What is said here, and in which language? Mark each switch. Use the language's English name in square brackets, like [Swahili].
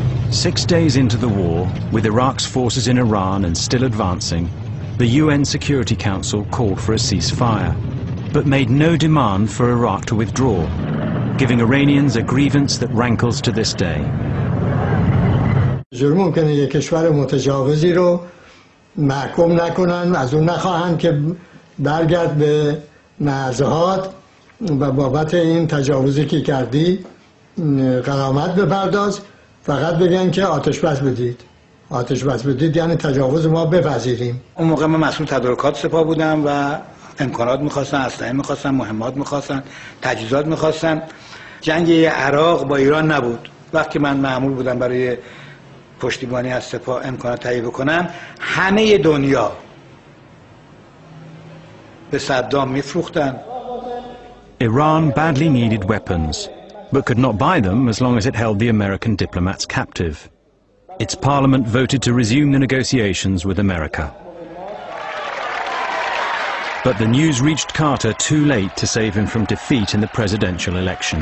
[English] 6 days into the war, with Iraq's forces in Iran and still advancing, the UN Security Council called for a ceasefire, but made no demand for Iraq to withdraw, giving Iranians a grievance that rankles to this day. [Persian] جرم ممکنه یک کشور متجاوزی رو محکوم نکنن، از اون نخواهن که برگرد به نهضت و بابت این تجاوزی که کردی غرامت بپرداز، فقط بگن که آتش بس بدید. آتش بس بدید یعنی تجاوز ما بپذیریم. اون موقع من مسئول تدارکات سپاه بودم و امکانات میخواستن، اسلحه میخواستن، مهمات میخواستن، تجهیزات میخواستن. جنگ عراق با ایران نبود. وقتی من مأمور بودم برای پشتیبانی از سپاه امکانات تهیه بکنم، همه دنیا به صدام میفروختن. [English] Iran badly needed weapons, but could not buy them as long as it held the American diplomats captive. Its parliament voted to resume the negotiations with America. But the news reached Carter too late to save him from defeat in the presidential election.